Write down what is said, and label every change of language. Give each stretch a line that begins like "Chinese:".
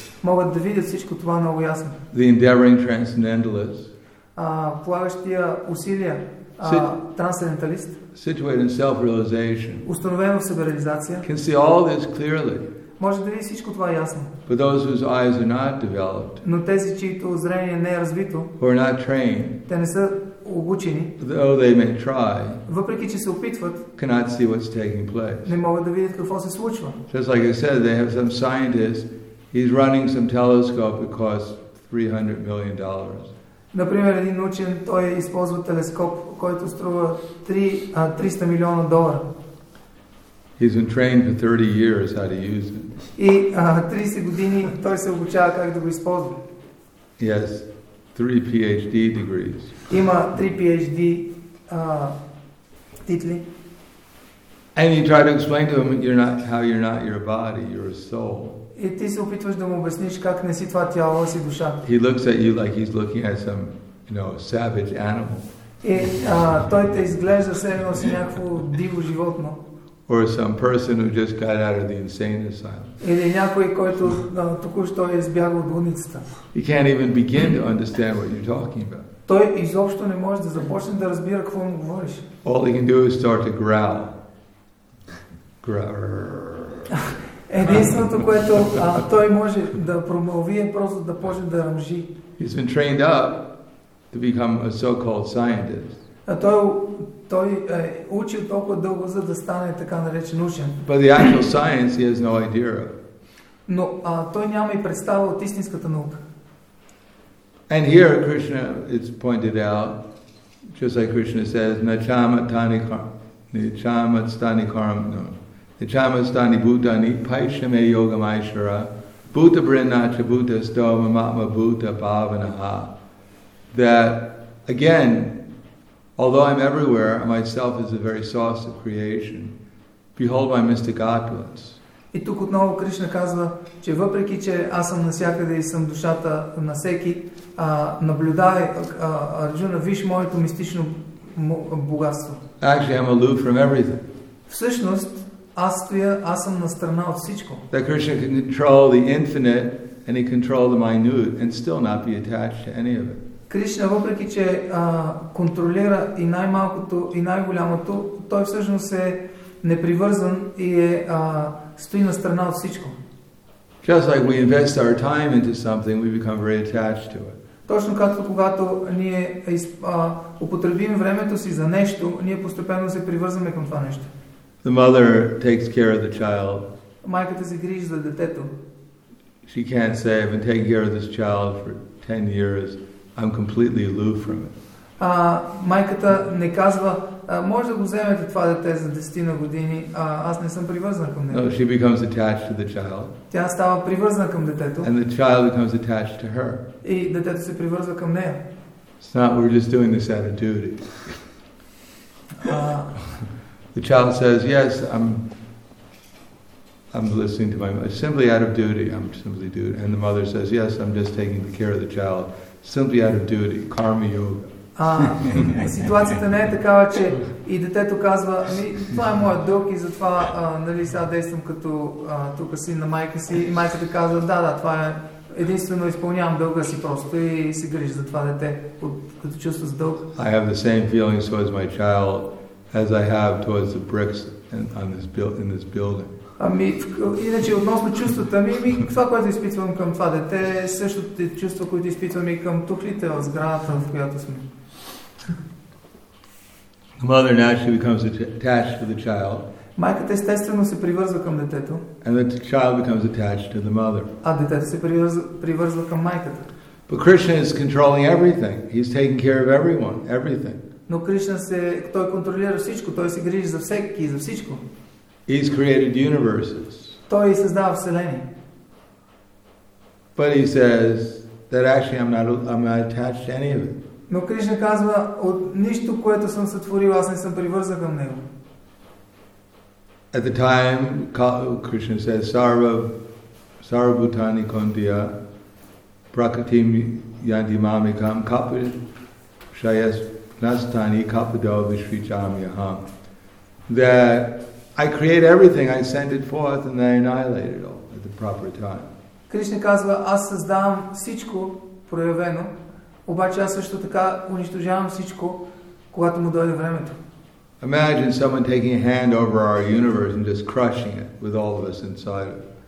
Bulgarian: Могат да видят всичко това много ясно.
English: The endeavoring transcendentalist.
Bulgarian: Полагащия усилия, трансценденталист.
English: Situated in self-realization.
Bulgarian: Установено в себе-реализация.
English: Can see all this clearly.
Bulgarian: Може да види всичко това ясно.
English: But those whose eyes are not developed.
Bulgarian: Но тези, чието зрение не е развито.
English: Who are not trained.
Bulgarian: Те не са обучени.
English: Though they may try.
Bulgarian: Въпреки че се опитват.
English: Cannot see what's taking place.
Bulgarian: Не могат да видят какво се случва.
English: Just like I said, they have some scientist. He's running some telescope that costs $300 million.
Bulgarian: Например, един учен, той използва телескоп, който струва 300 милиона долара.
English: He's been trained for 30 years how to use it.
Bulgarian: И 30 години той се обучава как да го използва.
English: Yes, 3 PhD degrees.
Bulgarian: Има 3 PhD титли.
English: And you try to explain to him how you're not your body, you're a soul.
Bulgarian: И ти се опитваш да му обясниш как не си това тяло, а си душа.
English: He looks at you like he's looking at some, you know, savage animal.
Bulgarian: И той те изглежда все едно си някакво диво животно.
English: Or some person who just got out of the insane asylum.
Bulgarian: Или някой, който току-що е избягал от болницата.
English: He can't even begin to understand what you're talking about.
Bulgarian: Той изобщо не може да започне да разбира какво му говориш.
English: All he can do is start to growl. Growl.
Bulgarian: Единственото, което той може да промълви, е просто да почне да ръмжи.
English: He's been trained up to become a so-called scientist.
Bulgarian: А той е учил толкова дълго, за да стане така наречен учен.
English: But the actual science he has no idea of.
Bulgarian: Но той няма и представа от истинската наука.
English: And here Krishna is pointed out, just like Krishna says,
Sanskrit: Nachamatani Bhutani Paishame Yoga Maishara Bhuta Brinacha Bhuta Stoma Matma Bhuta Bhavanaha.
English: That again, although I'm everywhere, myself is the very source of creation. Behold my mystic opulence.
Bulgarian: И тук отново Кришна казва, че въпреки че аз съм навсякъде и съм душата на всеки, наблюдавай, Арджуна, виж моето мистично богатство.
English: Actually, I'm aloof from everything.
Bulgarian: Всъщност, аз съм на страна от всичко.
English: That Krishna can control the infinite and he can control the minute and still not be attached to any of it.
Bulgarian: Кришна, въпреки че контролира и най-малкото и най-голямото, той всъщност е непривързан и е стои на страна от всичко.
English: Just like we invest our time into something, we become very attached to it.
Bulgarian: Точно както когато ние употребим времето си за нещо, ние постепенно се привързваме към това нещо.
English: The mother takes care of the child.
Bulgarian: Майката се грижи за детето.
English: She can't say, I've been taking care of this child for 10 years. I'm completely aloof from it.
Bulgarian: Майката не казва, може да го вземете това дете за 10 години, аз не съм привързан към него.
English: No, she becomes attached to the child.
Bulgarian: Тя става привързана към детето.
English: And the child becomes attached to her.
Bulgarian: И детето се привързва към нея.
English: It's not, we're just doing this out of duty. The child says, yes, I'm listening to my mother, simply out of duty, I'm simply doing. And the mother says, yes, I'm just taking the care of the child, simply out of duty, karma yoga.
Bulgarian: Ситуацията не е такава, че и детето казва, това е моят дълг и затова нали сега действам като тук син на майка си. И майката казва, да, това е единствено, изпълнявам дълга си просто и се грижи за това дете, като чувство за дълг.
English: I have the same feeling towards my child as I have towards the bricks in this building.
Bulgarian: Иначе относно чувствата ми, това, което изпитвам към това дете, е същото чувство, което изпитвам и към тухлите в сградата, в която сме.
English: The mother naturally becomes attached to the child.
Bulgarian: Майката естествено се привързва към детето.
English: And the child becomes attached to the mother.
Bulgarian: А детето се привързва към майката.
English: But Krishna is controlling everything. He's taking care of everyone, everything.
Bulgarian: Но Кришна се, той контролира всичко, той се грижи за всеки и за всичко.
English: He's created universes.
Bulgarian: Той създава вселени.
English: But he says that actually I'm not attached to any of it.
Bulgarian: Но Кришна казва, от нищо, което съм сътворил, аз не съм привързан към него.
English: At the time, Krishna says,
Sanskrit: Sarvabhutani Kondiya Prakatim Yandimamikam Kapil Shayas Nastani Kapido Vishvijamyaham.
English: That I create everything, I send it forth, and I annihilate it all at the proper time.
Bulgarian: Krishna казва, аз създавам всичко проявено, обаче аз също така унищожавам всичко, когато му дойде времето.
English: Imagine someone taking a hand over our universe and just crushing it with all of us inside it.